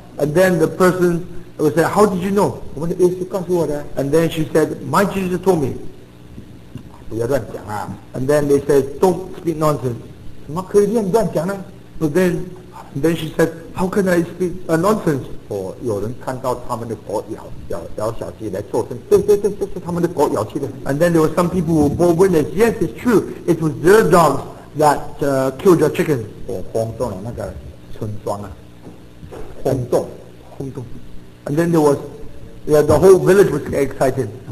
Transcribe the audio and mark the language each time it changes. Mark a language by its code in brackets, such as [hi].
[en] And then the person would say, how did you know? [zh] 我们的意思告诉我的。 [en] And then she said, my Jesus told me. [zh] 不要乱讲啊。 [en] And then they said, don't speak nonsense. [zh] 怎么可以乱讲呢? [en] So then she said, how can I speak nonsense? [zh] 有人看到他们的狗咬小鸡来作证，对对对，这是他们的狗咬去的。 [en] And then there were some people who bore witness, yes, it's true, it was their dogs that killed your chicken. [zh] 轰动了那个村庄啊, 轰动, 轰动。 [en] And then there was, yeah, the whole village was excited.